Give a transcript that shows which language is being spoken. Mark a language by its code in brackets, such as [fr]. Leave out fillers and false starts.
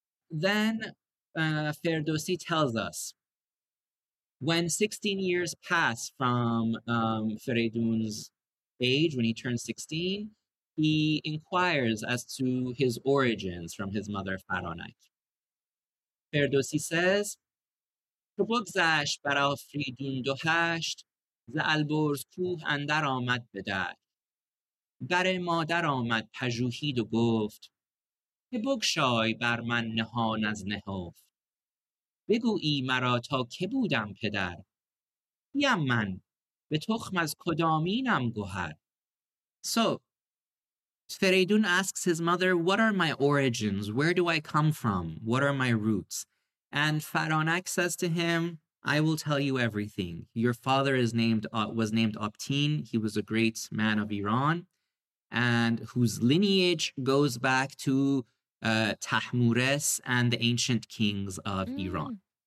[en] Then Ferdowsi tells us, when 16 years pass from Feridun's age, when he turns 16, he inquires as to his origins from his mother Faranak. Ferdowsi says, [fa] که بگذشت بر آفریدون دو هشت ز البرز کوه اندر آمد به در بر مادر آمد پژوهید و گفت که بگشای بر من نهان از نهفت بگویی مرا تا که بودم پدر یم من به تخم از کدامینم گوهر. [en] So Feridun asks his mother, what are my origins? Where do I come from? What are my roots? And Faranak says to him, I will tell you everything. Your father was named Optin. He was a great man of Iran, and whose lineage goes back to Tahmures and the ancient kings of Iran.